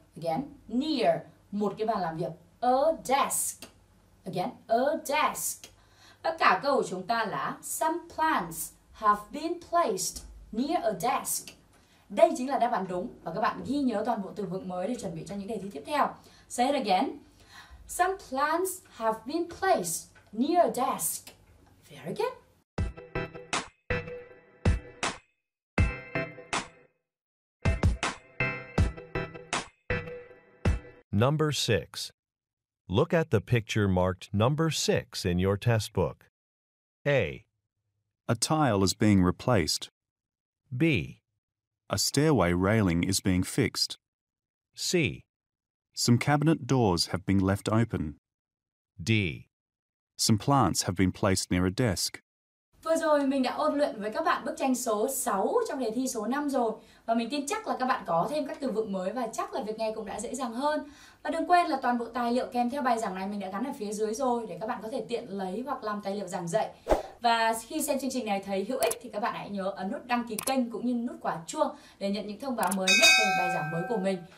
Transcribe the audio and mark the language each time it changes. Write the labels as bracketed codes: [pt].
[en] Again, near. [vi] Một cái bàn làm việc, a desk. [en] Again, a desk. [vi] Và cả câu của chúng ta là [en] some plants have been placed near a desk. [vi] Đây chính là đáp án đúng. Và các bạn ghi nhớ toàn bộ từ vựng mới để chuẩn bị cho những đề thi tiếp theo. [en] Say it again. Some plants have been placed near a desk. Very good. Number 6. Look at the picture marked number 6 in your test book. A. A tile is being replaced. B. A stairway railing is being fixed. C. Some cabinet doors have been left open. D. Some plants have been placed near a desk. [vi] Vừa rồi mình đã ôn luyện với các bạn bức tranh số 6 trong đề thi số 5 rồi. Và mình tin chắc là các bạn có thêm các từ vựng mới và chắc là việc nghe cũng đã dễ dàng hơn. Và đừng quên là toàn bộ tài liệu kèm theo bài giảng này mình đã gắn ở phía dưới rồi để các bạn có thể tiện lấy hoặc làm tài liệu giảng dạy. Và khi xem chương trình này thấy hữu ích thì các bạn hãy nhớ ấn nút đăng ký kênh cũng như nút quả chuông để nhận những thông báo mới nhất về bài giảng mới của mình.